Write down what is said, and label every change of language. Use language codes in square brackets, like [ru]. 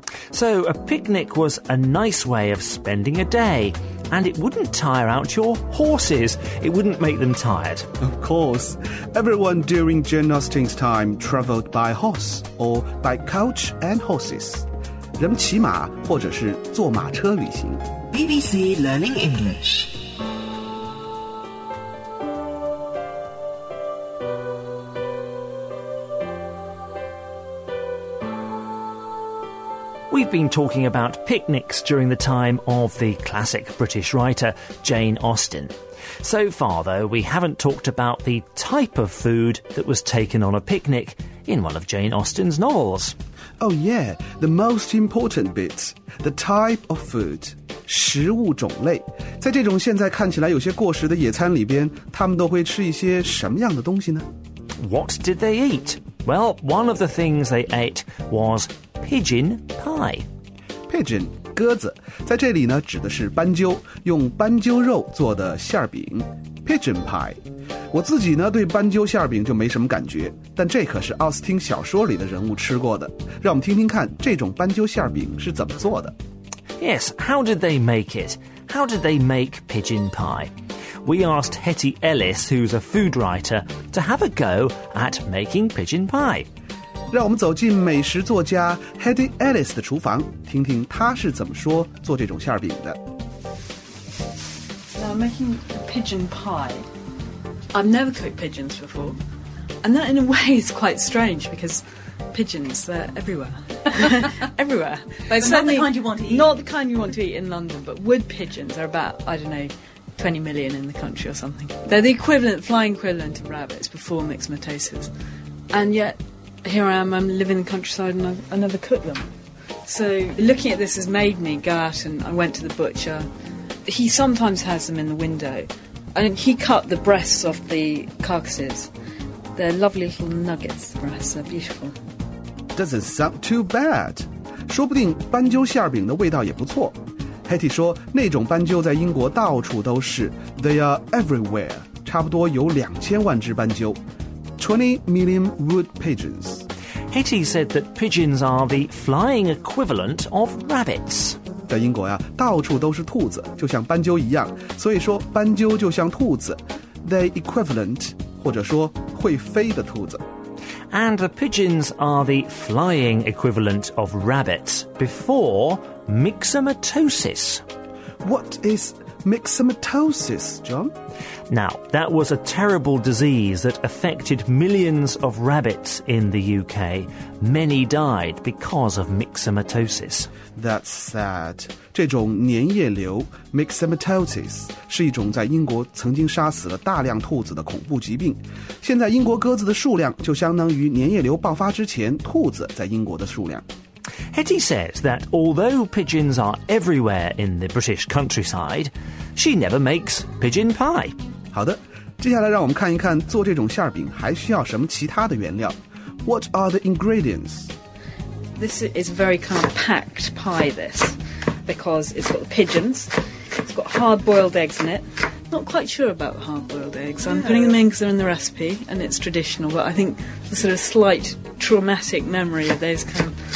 [en] So a picnic was a nice way of spending a day. And it wouldn't tire out your horses. It wouldn't make them tired. Of course. Everyone during Jane Austen's time travelled by horse or by coach and horses. [zh] 人骑马或者是坐马车旅行 [en] BBC Learning English. We've been talking about picnics during the time of the classic British writer Jane Austen. So far, though, we haven't talked about the type of food that was taken on a picnic in one of Jane Austen's novels. Oh, yeah, the most important bit, the type of food. [zh] 食物种类。在这种现在看起来有些过时的野餐里边，他们都会吃一些什么样的东西呢？ [en] What did they eat? Well, one of the things they ate was... Pigeon pie. [zh] Pigeon, 鸽子在这里呢指的是斑鸠用斑鸠肉做的馅饼 [en] Pigeon pie. [zh] 我自己呢对斑鸠馅饼就没什么感觉但这可是奥斯汀小说里的人物吃过的。让我们听听看这种斑鸠馅饼是怎么做的。 [en] Yes, how did they make it? How did they make pigeon pie? We asked Hetty Ellis, who's a food writer, to have a go at making pigeon pie. [zh] 让我们走进美食作家 Hetty Ellis 的厨房，听听她是怎么说做这种馅饼的。 [en] Now, I'm making a pigeon pie. I've never cooked pigeons before. And that, in a way, is quite strange, because pigeons, they're everywhere. Everywhere. But not the kind you want to eat. Not the kind you want to eat in London, but wood pigeons are about, I don't know, 20 million in the country or something. They're the equivalent, flying equivalent of rabbits before myxomatosis. And yet, here I am, I'm living in the countryside and I never cook them. So looking at this has made me go out and I went to the butcher. He sometimes has them in the window. And he cut the breasts off the carcasses. They're lovely little nuggets, the breasts, they're beautiful. Doesn't sound too bad. [zh] 说不定斑鸠馅饼的味道也不错。Hattie 说那种斑鸠在英国到处都是 [en] They are everywhere [zh] 差不多有2000万只斑鸠 [en] 20 million wood pigeons Hattie said that pigeons are the flying equivalent of rabbits [zh] 在英国呀、啊、到处都是兔子就像斑鸠一样所以说斑鸠就像兔子 [en] They equivalent [zh] 或者说会飞的兔子 [en] And the pigeons are the flying equivalent of rabbits before myxomatosis. What is myxomatosis, John? Now, that was a terrible disease that affected millions of rabbits in the UK. Many died because of myxomatosis. That's sad. [zh] 这种粘液瘤 myxomatosis 是一种在英国曾经杀死了大量兔子的恐怖疾病。现在英国鸽子的数量就相当于粘液瘤爆发之前兔子在英国的数量。 [en] Hetty says that although pigeons are everywhere in the British countryside, she never makes pigeon pie. [zh] 好的，接下来让我们看一看做这种馅饼还需要什么其他的原料。 [en] What are the ingredients? This is a very kind of packed pie, this, because it's got the pigeons, it's got hard-boiled eggs in it. Not quite sure about the hard-boiled eggs. I'm putting them in because they're in the recipe and it's traditional, but I think the sort of slight traumatic memory of those kind of...